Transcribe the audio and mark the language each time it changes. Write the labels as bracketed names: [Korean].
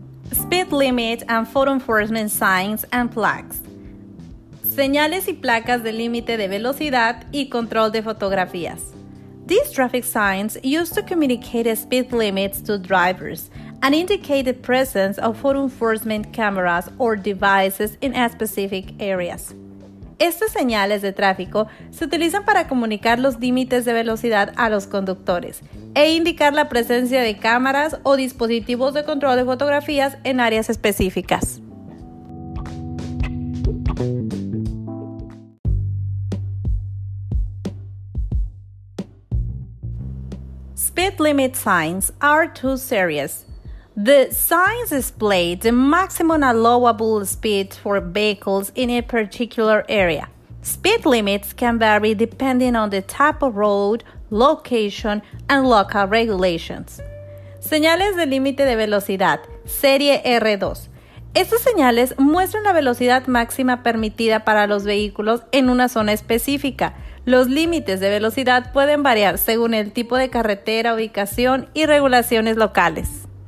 [English] Speed limit and photo enforcement signs and plaques. [Spanish] Señales y placas de límite de velocidad y control de fotografías. [English] These traffic signs used to communicate speed limits to drivers and indicate the presence of photo enforcement cameras or devices in specific areas. [Spanish] Estas señales de tráfico se utilizan para comunicar los límites de velocidad a los conductores e indicar la presencia de cámaras o dispositivos de control de fotografías en áreas específicas. [English] Speed limit signs are too serious. The signs display the maximum allowable speed for vehicles in a particular area. Speed limits can vary depending on the type of road, location, and local regulations. [Spanish] Señales de límite de velocidad, serie R2. Estas señales muestran la velocidad máxima permitida para los vehículos en una zona específica. Los límites de velocidad pueden variar según el tipo de carretera, ubicación y regulaciones locales.